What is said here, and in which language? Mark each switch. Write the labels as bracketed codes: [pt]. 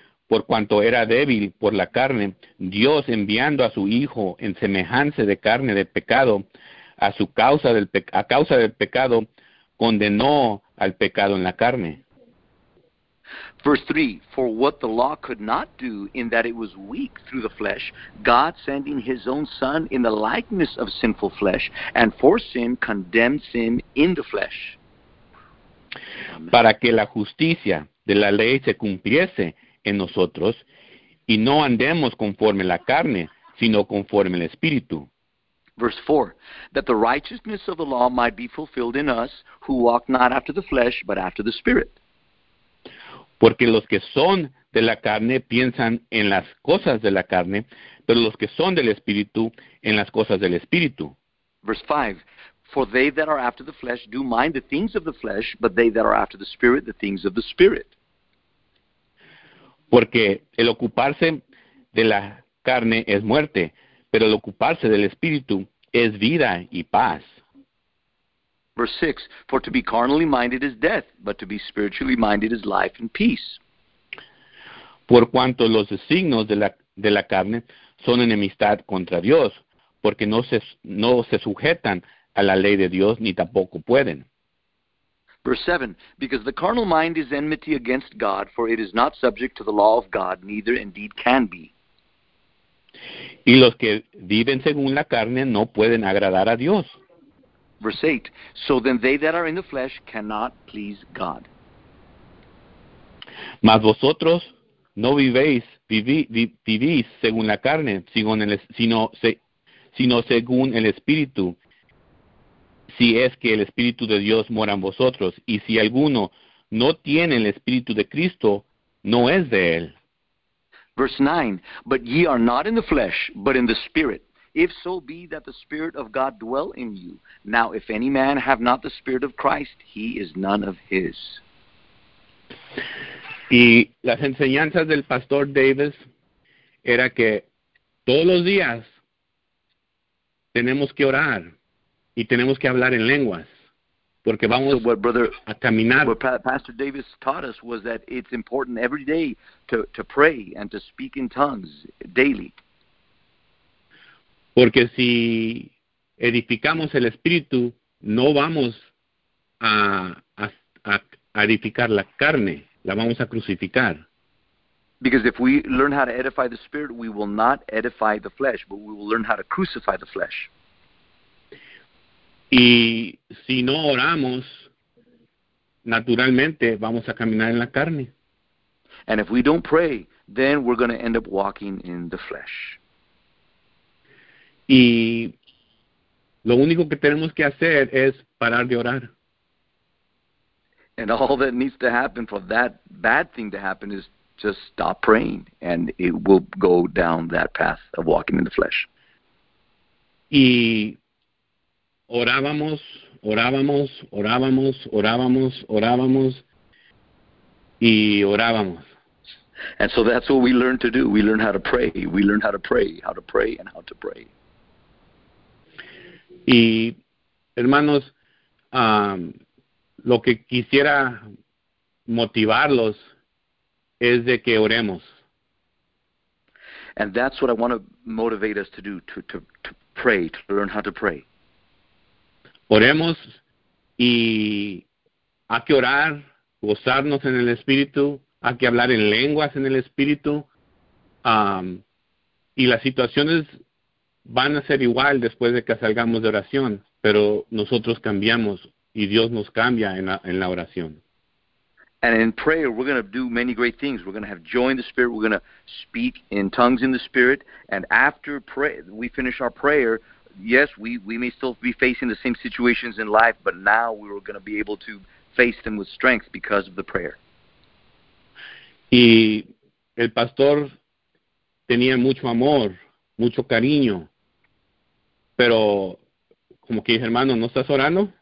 [es] por cuanto era débil por la carne, Dios enviando a su Hijo en semejanza de carne de pecado, a causa del pecado, condenó al pecado en la carne. [en] Verse 3, for what the law could not do in that it was weak through the flesh, God sending his own Son in the likeness of sinful flesh, and for sin condemned sin in the flesh. [es] Para que la justicia de la ley se cumpliese en nosotros, y no andemos conforme la carne, sino conforme el Espíritu. [en] Verse 4, that the righteousness of the law might be fulfilled in us, who walk not after the flesh, but after the Spirit. [es] Porque los que son de la carne piensan en las cosas de la carne, pero los que son del Espíritu en las cosas del Espíritu. [en] Verse 5, for they that are after the flesh do mind the things of the flesh, but they that are after the Spirit, the things of the Spirit. [es] Porque el ocuparse de la carne es muerte, pero el ocuparse del Espíritu es vida y paz. [en] Verse 6, for to be carnally minded is death, but to be spiritually minded is life and peace. [es] Por cuanto los designios de la carne son enemistad contra Dios, porque no se sujetan a la ley de Dios ni tampoco pueden. [en] Verse 7, because the carnal mind is enmity against God, for it is not subject to the law of God, neither indeed can be. [es] Y los que viven según la carne no pueden agradar a Dios. [en] Verse 8, so then they that are in the flesh cannot please God. [es] Mas vosotros no vivís según la carne, sino según el Espíritu, si es que el Espíritu de Dios mora en vosotros, y si alguno no tiene el Espíritu de Cristo, no es de él. [en] Verse 9, but ye are not in the flesh, but in the Spirit. If so be that the Spirit of God dwell in you, now if any man have not the Spirit of Christ, he is none of his. [es] Y las enseñanzas del pastor Davis era que todos los días tenemos que orar y tenemos que hablar en lenguas. Porque vamos [en] so what brother, [es] a caminar. [en] What Pastor Davis taught us was that it's important every day to pray and to speak in tongues daily. [es] Porque si edificamos el Espíritu, no vamos a edificar la carne, la vamos a crucificar. [en] Because if we learn how to edify the Spirit, we will not edify the flesh, but we will learn how to crucify the flesh. [es] Y si no oramos, naturalmente vamos a caminar en la carne. [en] And if we don't pray, then we're going to end up walking in the flesh. [es] Y lo único que tenemos que hacer es parar de orar. [en] And all that needs to happen for that bad thing to happen is just stop praying, and it will go down that path of walking in the flesh. [es] Y orábamos, orábamos, orábamos, orábamos, orábamos, y orábamos. [en] And so that's what we learn to do. We learn how to pray. We learn how to pray, how to pray, and how to pray. [es] Y, hermanos, lo que quisiera motivarlos es de que oremos. [en] And that's what I want to motivate us to do, to pray, to learn how to pray. [es] Oremos y hay que orar, gozarnos en el Espíritu, hay que hablar en lenguas en el Espíritu, y las situaciones van a ser igual después de que salgamos de oración, pero nosotros cambiamos y Dios nos cambia en la oración. [en] And in prayer, we're going to do many great things. We're going to have joy in the Spirit. We're going to speak in tongues in the Spirit. And after we finish our prayer, yes, we may still be facing the same situations in life, but now we're going to be able to face them with strength because of the prayer. [es] Y el pastor tenía mucho amor, mucho cariño, pero como que dice, hermano, ¿no estás orando?